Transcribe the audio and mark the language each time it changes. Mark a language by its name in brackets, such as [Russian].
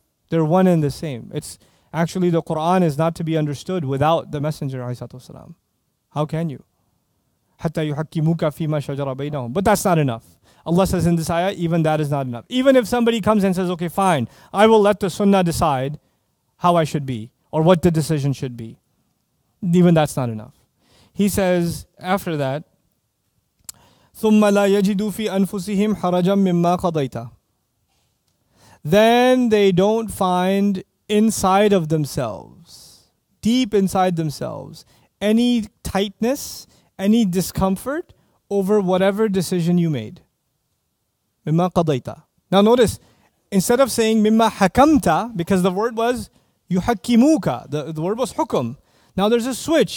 [English] They're one and the same. It's actually, the Quran is not to be understood without the Messenger, ﷺ. How can you? [Arabic] حَتَّى يُحَكِّمُكَ فِي مَا شَجَرَ بَيْنَهُمْ. [English] But that's not enough. Allah says in this ayah, even that is not enough. Even if somebody comes and says, okay, fine, I will let the sunnah decide how I should be or what the decision should be. Even that's not enough. He says after that, [Arabic] ثُمَّ لَا يَجِدُوا فِي أَنفُسِهِمْ حَرَجًا مِمَّا قَضَيْتَ. [English] Then they don't find inside of themselves, deep inside themselves, any tightness, any discomfort over whatever decision you made. [Arabic] مِمَّا قَضَيْتَ. [English] Now notice, instead of saying [Arabic] مِمَّا حَكَمْتَ, [English] because the word was يُحَكِّمُوكَ, the word was حُكُم. Now there's a switch.